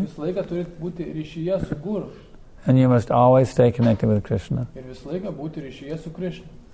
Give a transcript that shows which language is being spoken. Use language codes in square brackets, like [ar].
[lt] Visą laiką turit būti ryšyje su Guru. [en] And you must always stay connected with Krishna. [lt] Ir visą laiką būti ryšyje su Krishna.